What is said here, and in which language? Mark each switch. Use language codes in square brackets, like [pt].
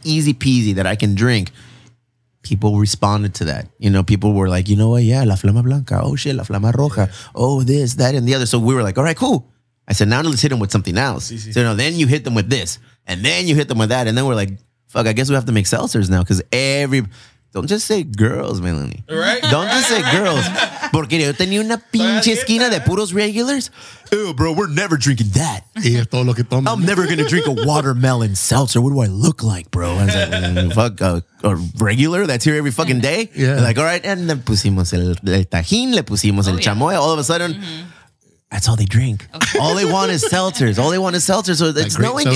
[en] Easy peasy that I can drink. People responded to that. You know, people were like, you know what? Yeah, La Flama Blanca. Oh, shit, La Flama Roja. Yeah. Oh, this, that, and the other. So we were like, all right, cool. I said, now let's hit them with something else. So you know, then you hit them with this. And then you hit them with that. And then we're like, fuck, I guess we have to make seltzers now. Because every... Don't just say girls, Melanie. Right? Don't just say girls. [es] Porque yo tenía una pinche esquina de puros regulars. [en] Ew, bro, we're never drinking that. I'm never going to drink a watermelon seltzer. What do I look like, bro? I was like, fuck, a regular that's here every fucking day? Yeah. They're like, all right. And then [es] pusimos el tajín, le pusimos el chamoy. [en] All of a sudden... Mm-hmm. That's all they drink. Okay. All they want is seltzers. All they want is seltzers. So it's knowing soda?